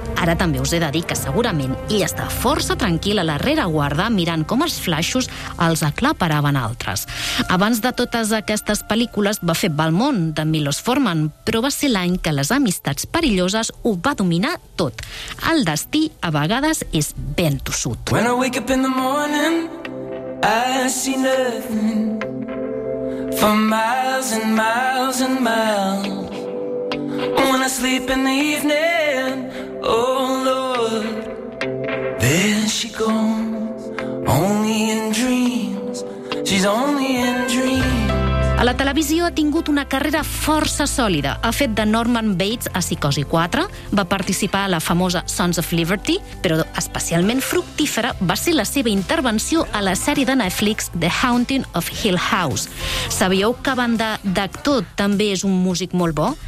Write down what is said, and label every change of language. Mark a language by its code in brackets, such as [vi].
[ca] Ara també us he de dir que segurament ell està força tranquil a la rereguarda mirant com els flaixos els aclaparaven altres. Abans de totes aquestes pel·lícules va fer Belmont, de Milos Forman, però va ser l'any que Les amistats perilloses ho va dominar tot. El destí a vegades és ben tossut. [en] When I wake up in the morning, I see nothing for miles and miles and miles. When I sleep in the evening, oh Lord, there she goes, only in dreams, she's only in dreams. [ca] A la televisió ha tingut una carrera força sòlida. Ha fet de Norman Bates a Psicosi 4, va participar a la famosa Sons of Liberty, però especialment fructífera va ser la seva intervenció a la sèrie de Netflix The Haunting of Hill House. Sabíeu que a banda d'actor també és un músic molt bo?